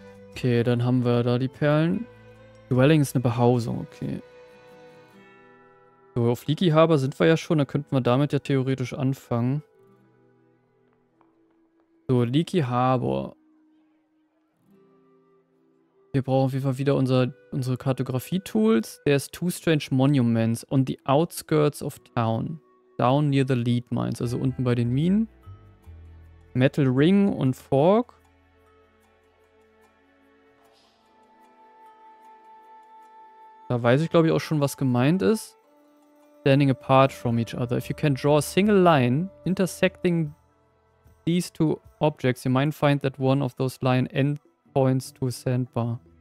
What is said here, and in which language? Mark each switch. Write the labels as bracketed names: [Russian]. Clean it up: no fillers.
[German] Okay, dann haben wir da die Perlen. Dwelling ist eine Behausung, okay. So, auf Leakyhaber sind wir ja schon, da könnten wir damit ja theoretisch anfangen. So, Leakyhaber. Wir brauchen auf jeden Fall wieder unsere Kartografie-Tools. [English] There's two strange monuments on the outskirts of town. Down near the lead mines, [German] also unten bei den Minen. [English] Metal Ring und Fork. [German] Da weiß ich, glaube ich, auch schon, was gemeint ist. [English] Standing apart from each other. If you can draw a single line intersecting these two objects, you might find that one of those line end points to a sandbar.